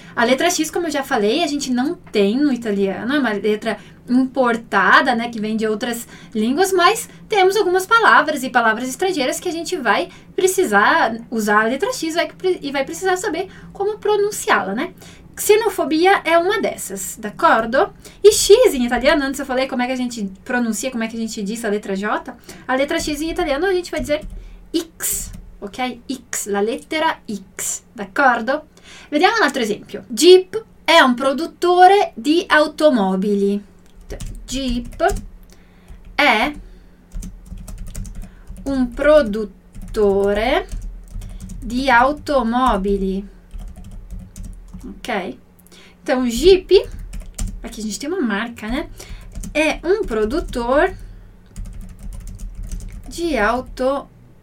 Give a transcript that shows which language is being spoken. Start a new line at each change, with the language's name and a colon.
Portuguese: A letra X, como eu já falei, a gente não tem no italiano, é uma letra importada, né, que vem de outras línguas, mas temos algumas palavras e palavras estrangeiras que a gente vai precisar usar a letra X e vai precisar saber como pronunciá-la, né? Xenofobia é uma dessas, d'accordo? E X em italiano, antes eu falei como é que a gente pronuncia, como é que a gente diz a letra J, a letra X em italiano a gente vai dizer X, ok?
Italian: X, la lettera X, d'accordo? Vediamo un altro esempio. Jeep è un produttore di automobili. Jeep è un produttore di automobili. Ok?
Portuguese: Então, Jeep, aqui a gente tem uma marca, né?
Italian: È un produttore di automobili.